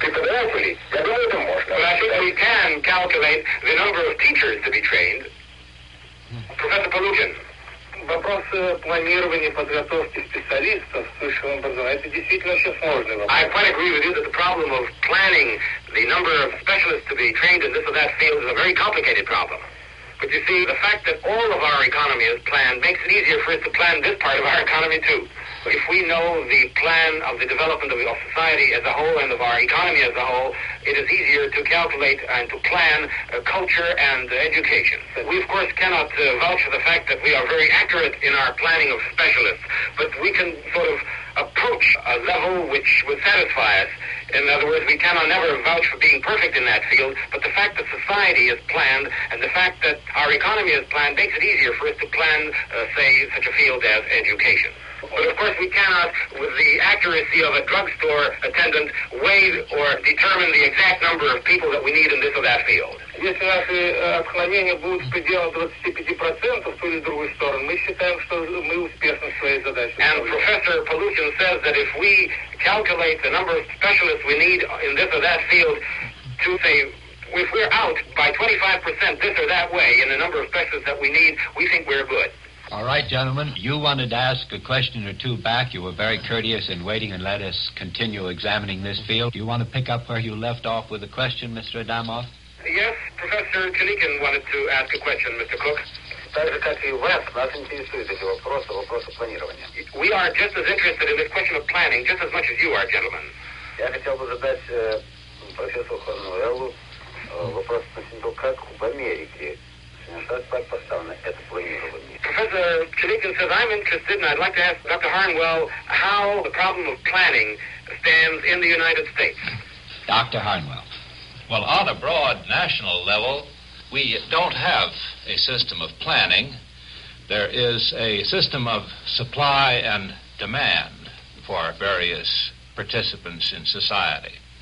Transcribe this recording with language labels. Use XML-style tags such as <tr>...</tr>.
<en>But I think we can calculate the number of teachers to be trained. Professor Palukin.</en> <ru>Вопрос планирования подготовки специалистов высшего образования — это действительно очень сложный вопрос.</ru> <en>I quite agree with you that the problem of planning the number of specialists to be trained in this or that field is a very complicated problem. But you see, the fact that all of our economy is planned makes it easier for us to plan this part of our economy, too. If we know the plan of the development of society as a whole and of our economy as a whole, it is easier to calculate and to plan culture and education. We, of course, cannot vouch for the fact that we are very accurate in our planning of specialists, but we can sort of approach a level which would satisfy us. In other words, we cannot never vouch for being perfect in that field, but the fact that society is planned and the fact that our economy is planned makes it easier for us to plan, say, such a field as education. But, of course, we cannot, with the accuracy of a drugstore attendant, weigh or determine the exact number of people that we need in this or that field.</en> <ru>Если наши отклонения будут в пределах 25% в ту или другую сторону, мы считаем, что мы успешны в своей задаче.</ru> <en>And Professor Palukin says that if we calculate the number of specialists we need in this or that field to, say, if we're out by 25% this or that way in the number of specialists that we need, we think we're good. All right, gentlemen, you wanted to ask a question or two back. You were very courteous in waiting and let us continue examining this field. Do you want to pick up where you left off with a question, Mr. Adamov? Yes, Professor Chalikin wanted to ask a question, Mr. Cook.</en> <ru>так же, как и вас, нас интересуют эти вопросы, вопросы планирования.</ru> <en>We are just as interested in this question of planning just as much as you are, gentlemen.</en> <ru>Я хотел бы задать профессору Хорнуэллу вопрос относительно того, как в Америке так поставлено это планирование.</ru> <en>Professor Chinnikin says, I'm interested, and I'd like to ask Dr. Harnwell how the problem of planning stands in the United States. Dr. Harnwell, well, on a broad national level, we don't have a system of planning. There is a system of supply and demand for various participants in society.</en>